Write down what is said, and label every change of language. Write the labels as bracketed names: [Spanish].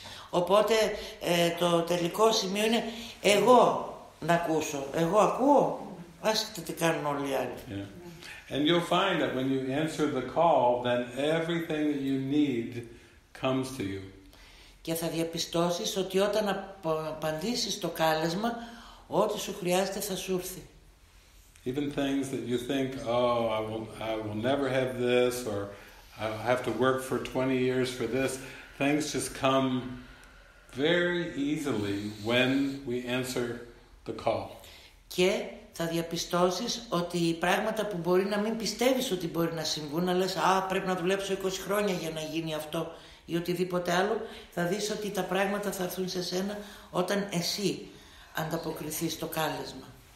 [Greek] Οπότε το τελικό σημείο είναι εγώ να ακούσω. Εγώ ακούω. Άσχετα τι κάνουν όλοι οι άλλοι. [English] And you'll find that when you answer the call, then everything that you need comes to you. [Greek] Και θα διαπιστώσεις ότι όταν απαντήσεις το κάλεσμα, ό,τι σου χρειάζεται θα σου έρθει. [English] Even things that you think, oh, I will never have this, or I have to work for 20 years for this, things just come very easily when we answer the call. [Greek] Και θα διαπιστώσεις ότι οι πράγματα που μπορεί να μην πιστεύεις ότι μπορεί να συμβούν, αλλά λες, α, πρέπει να δουλέψω 20 χρόνια για να γίνει αυτό ή οτιδήποτε άλλο, θα δεις ότι τα πράγματα θα έρθουν σε σένα όταν εσύ ανταποκριθείς στο κάλεσμα.